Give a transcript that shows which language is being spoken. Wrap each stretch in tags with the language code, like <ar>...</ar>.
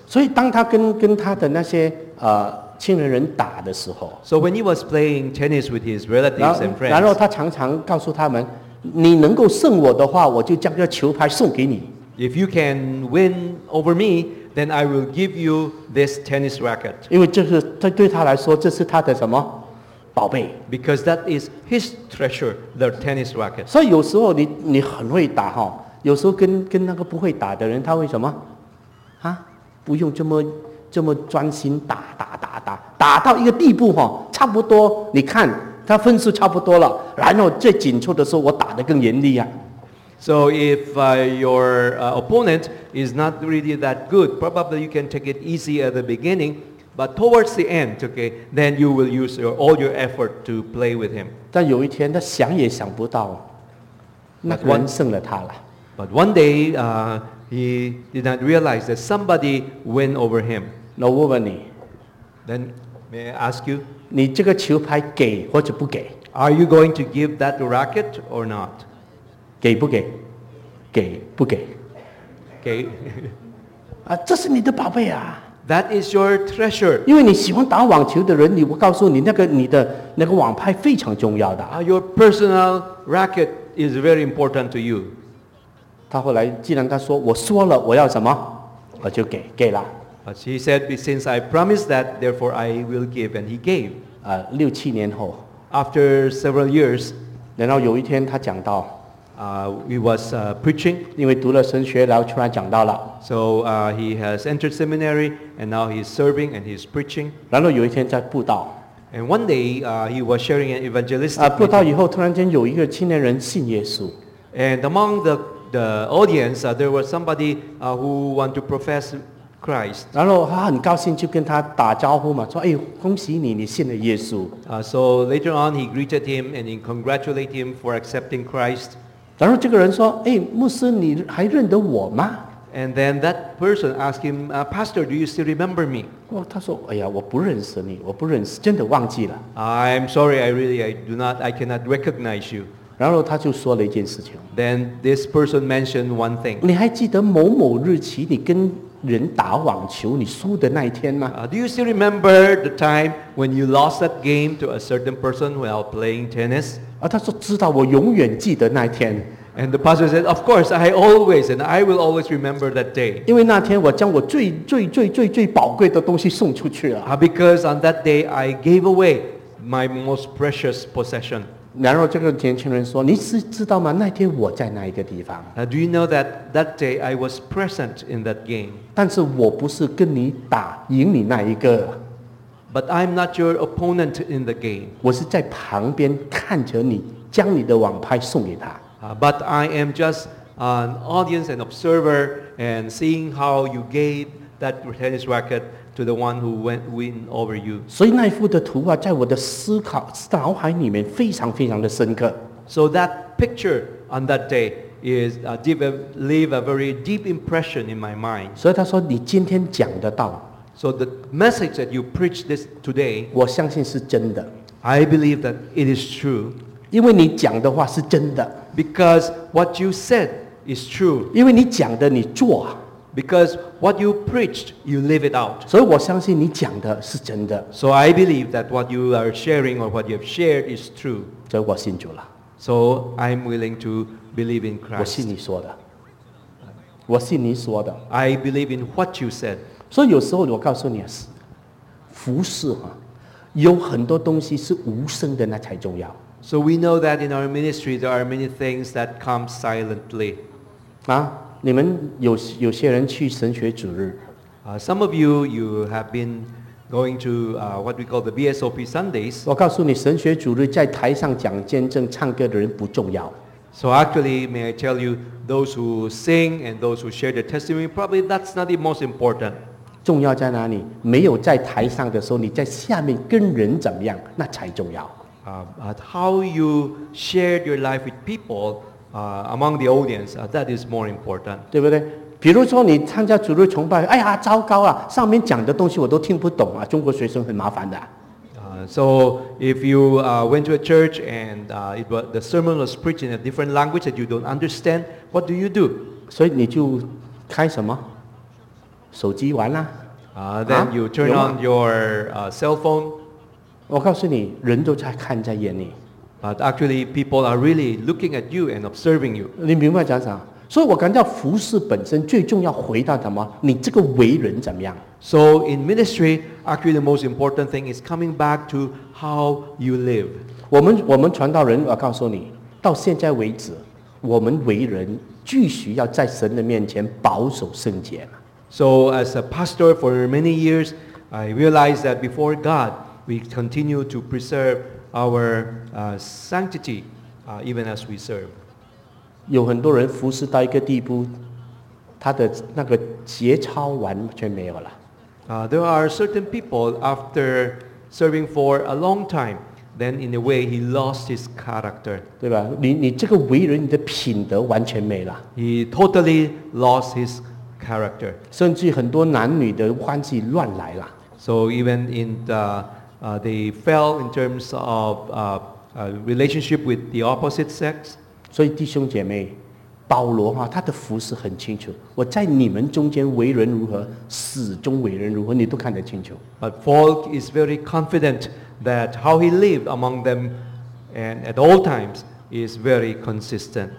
<zh>所以当他跟他的那些青年人打的时候</zh> <en>，So when he was playing tennis with his relatives and friends，</en> <zh>然后他常常告诉他们，你能够胜我的话，我就将这球拍送给你。</zh> <en>If you can win over me, then I will give you this tennis racket。</en> <zh>因为这是对他来说，这是他的什么宝贝</zh> <en>？Because that is his treasure, the tennis racket。</en> <zh>所以有时候你很会打哈，有时候跟那个不会打的人，他会什么？不用这么专心打到一个地步哈，差不多，你看他分数差不多了，然后最紧凑的时候，我打得更严厉啊。</zh> <en>So if your opponent is not really that good, probably you can take it easy at the beginning, but towards the end, okay, then you will use all your effort to play with him.</en> <zh>但有一天他想也想不到，那个人胜了他了。</zh> <en>But one day, he did not realize that somebody win over him.</en> <zh>那我问你。</zh> <en>Then may I ask you,</en> <zh>你这个球拍给或者不给</zh> <en>？Are you going to give that racket or not?</en> <zh>给不给？给不给？给。啊，这是你的宝贝啊</zh> <en>！That is your treasure.</en> <zh>因为你喜欢打网球的人，我告诉你，你的网拍非常重要的。</zh> <en>Your personal racket is very important to you.</en> <zh>他后来既然他说我说了我要什么，我就给了。</zh> <en>She said, since I promised that, therefore I will give, and he gave.</en> <zh>六七年后</zh> <en>After several years,</en> <zh>然后有一天他讲到</zh> <en>he was preaching.</en> <zh>因为读了神学，然后突然讲到了</zh> <en>So he has entered seminary, and now he's serving, and he's preaching.</en> <zh>然后有一天在布道</zh> <en>And one day, he was sharing an evangelistic</en> <zh>meeting. 布道以后，突然间有一个青年人信耶稣</zh> <en>And among the audience, there was somebody who wanted to profess Christ.</en> <zh>然后他很高兴就跟他打招呼嘛，说：“哎，恭喜你，你信了耶稣。”</zh> <en>So later on, he greeted him and he congratulated him for accepting Christ.</en> <zh>然后这个人说：“哎，牧师，你还认得我吗？”</zh> <en>And then that person asked him, "Pastor, do you still remember me?"</en> <zh>他说：“哎呀，我不认识你，我不认识，真的忘记了。”</zh> <en>I'm sorry, I cannot recognize you.</en> <zh>然后他就说了一件事情。</zh> <en>Then this person mentioned one thing.</en> <zh>你还记得某某日期你跟人打网球你输的那一天吗</zh> <en>Do you still remember the time when you lost that game to a certain person while playing tennis?</en> <zh>他说知道我永远记得那一天</zh> <en>And the pastor said, of course, I always and I will always remember that day.</en> <zh>因为那天我将我最最最最最宝贵的东西送出去了</zh> <en>Because on that day, I gave away my most precious possession.</en> <zh>然后这个年轻人说你是知道吗那天我在哪一个地方</zh> <en>Do you know that day I was present in that game</en> <zh>但是我不是跟你打赢你那一个</zh> <en>But I'm not your opponent in the game</en> <zh>我是在旁边看着你将你的网拍送给他</zh> <en>But I am just an audience and observer and seeing how you gave that tennis racket to the one who win over you.</en> <zh>所以那幅的图画在我的思考脑海里面非常非常的深刻。</zh> <en>So that picture on that day is leave a very deep impression in my mind.</en> <zh>所以他说你今天讲的道</zh> <en>So the message that you preach this today,</en> <zh>我相信是真的。</zh> <en>I believe that it is true.</en> <zh>因为你讲的话是真的。</zh> <en>Because what you said is true.</en> <zh>因为你讲的你做啊。</zh> <en>Because what you preached, you live it out.</en> <zh>所以我相信你讲的是真的。</zh> <en>So I believe that what you are sharing or what you have shared is true.</en> <zh>所以我信主了。</zh> <en>So I'm willing to believe in Christ.</en> <zh>我信你说的。我信你说的。</zh> <en>I believe in what you said.</en> <zh>所以有时候我告诉你，服事啊，有很多东西是无声的，那才重要。</zh> <en>So we know that in our ministry there are many things that come silently.</en> <zh>啊，你们有些人去神学主日。</zh> <en>Some of you have been going to what we call the BSOP Sundays.</en> <zh>我告诉你，神学主日在台上讲见证、唱歌的人不重要。</zh> <en>So actually, may I tell you, those who sing and those who share their testimony, probably that's not the most important.</en> <zh>重要在哪里？没有在台上的时候，你在下面跟人怎么样，那才重要。</zh> <en>But how you shared your life with people among the audience, that is more important.</en> <zh>对不对？比如说你参加主日崇拜，哎呀，糟糕啊，上面讲的东西我都听不懂啊，中国学生很麻烦的。</zh> <en>So if you went to a church and the sermon was preached in a different language that you don't understand, what do you do?</en> <zh>所以你就开什么？手机玩啦。</zh> <en>Then you turn on your cell phone.</en> <zh>我告诉你，人都在看在眼里。 But actually, people are really looking at you and observing you. 你明白讲啥？所以我感到服事本身最重要，回到什么？你这个为人怎么样？</zh> <en>So in ministry, actually the most important thing is coming back to how you live.</en> <zh>我们传道人，我告诉你，到现在为止，我们为人继续要在神的面前保守圣洁。</zh> <en>So as a pastor for many years, I realized that before God, we continue to preserve our sanctity, even as we serve.</en> <zh>有很多人服侍到一个地步，他的那个节操完全没有了。</zh> <en>There are certain people after serving for a long time, then in a way he lost his character.</en> <zh>对吧？你这个为人，你的品德完全没了。</zh> <en>He totally lost his character.</en> <zh>甚至很多男女的关系乱来了。</zh> <en>So even in they fell in terms of relationship with the opposite sex.</en> <zh>所以弟兄姐妹。保罗啊，他的服事很清楚。我在你们中间为人如何，始终为人如何，你都看得清楚。</zh> <en>But Paul is very confident that how he lived among them and at all times is very consistent.</en>